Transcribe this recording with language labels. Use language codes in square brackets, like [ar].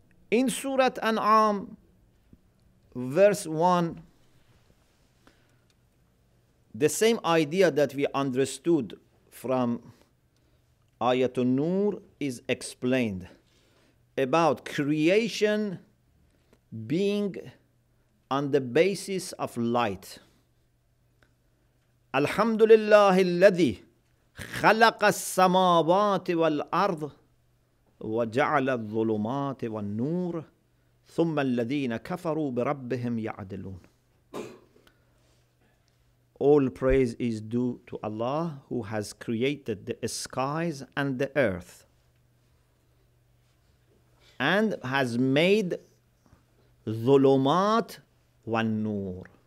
[en] In Surat An'am, verse 1, the same idea that we understood from Ayatul Nur is explained about creation being on the basis of light. [ar] الحمد لله الذي خلق السماوات والأرض وجعل الظلمات والنور ثم الذين كفروا بربهم يعدلون. [en] All praise is due to Allah who has created the skies and the earth and has made [ar] ظلمات والنور.